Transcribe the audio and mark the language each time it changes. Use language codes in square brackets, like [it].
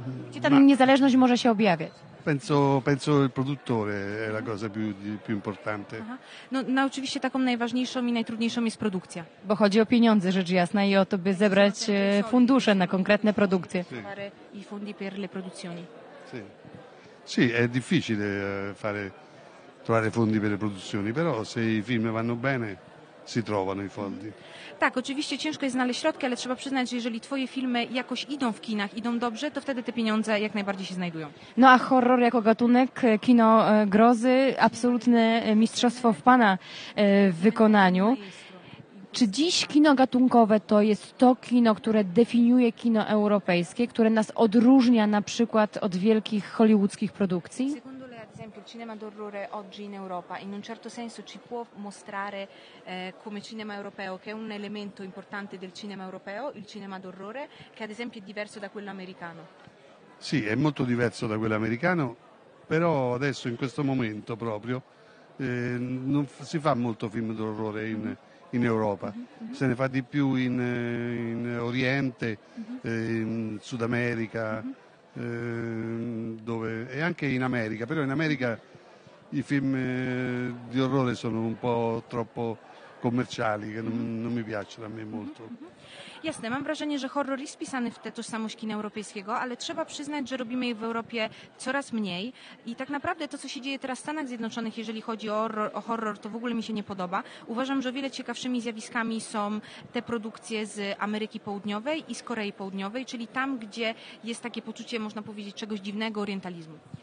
[pl] Gdzie ta niezależność może się objawiać? [it] Penso il produttore è la cosa più importante. [pl] No oczywiście taką najważniejszą i najtrudniejszą jest produkcja. Bo chodzi o pieniądze, rzecz jasna, i o to, by zebrać fundusze na konkretne produkty. [it] I fondi per le produzioni. Sì, è difficile trovare fondi per le produzioni, però se i film vanno bene si trovano i fondi. [pl] Tak, oczywiście ciężko jest znaleźć środki, ale trzeba przyznać, że jeżeli twoje filmy jakoś idą w kinach, idą dobrze, to wtedy te pieniądze jak najbardziej się znajdują. No a horror jako gatunek, kino grozy, absolutne mistrzostwo w pana wykonaniu. Czy dziś kino gatunkowe to jest to kino, które definiuje kino europejskie, które nas odróżnia na przykład od wielkich hollywoodzkich produkcji? [it] Secondo lei, ad esempio, il cinema d'orrore oggi in Europa in un certo senso ci può mostrare come cinema europeo, che è un elemento importante del cinema europeo, il cinema d'orrore, che ad esempio è diverso da quello americano? Sì, è molto diverso da quello americano, però adesso in questo momento proprio non si fa molto film d'orrore in Europa, se ne fa di più in Oriente, in Sud America, dove, e anche in America, però in America i film di orrore sono un po' troppo commerciali, che non mi piacciono a me molto. [pl] Jasne, mam wrażenie, że horror jest wpisany w tę tożsamość kina europejskiego, ale trzeba przyznać, że robimy jej w Europie coraz mniej i tak naprawdę to, co się dzieje teraz w Stanach Zjednoczonych, jeżeli chodzi o horror, to w ogóle mi się nie podoba. Uważam, że o wiele ciekawszymi zjawiskami są te produkcje z Ameryki Południowej i z Korei Południowej, czyli tam, gdzie jest takie poczucie, można powiedzieć, czegoś dziwnego, orientalizmu.